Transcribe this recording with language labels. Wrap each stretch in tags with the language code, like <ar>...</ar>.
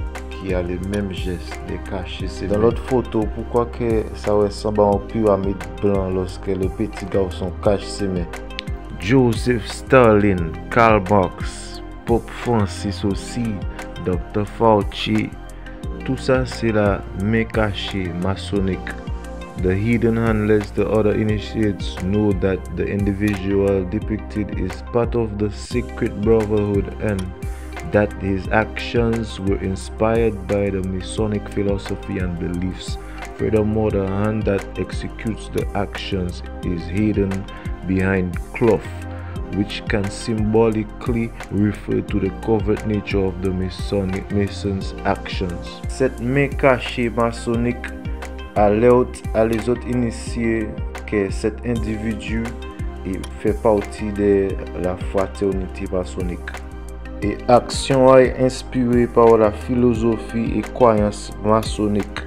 <fr>Qui a le même geste de cacher ses mains. Dans l'autre photo, pourquoi que ça ressemble à une pyramide blanche lorsque le petit garçon cache ses mains? Joseph Stalin, Karl Marx, Pope Francis aussi, Dr. Fauci, tout ça c'est la main cachée maçonnique.</fr> <en>The hidden hand lets the other initiates know that the individual depicted is part of the secret brotherhood and that his actions were inspired by the Masonic philosophy and beliefs. Furthermore, the hand that executes the actions is hidden behind cloth, which can symbolically refer to the covert nature of the Mason's actions.</en> <fr>Cette main cachée maçonnique alerte à les autres initiés que cet individu fait partie de la fraternité maçonnique. Et action est inspirée par la philosophie et croyance maçonnique.</fr>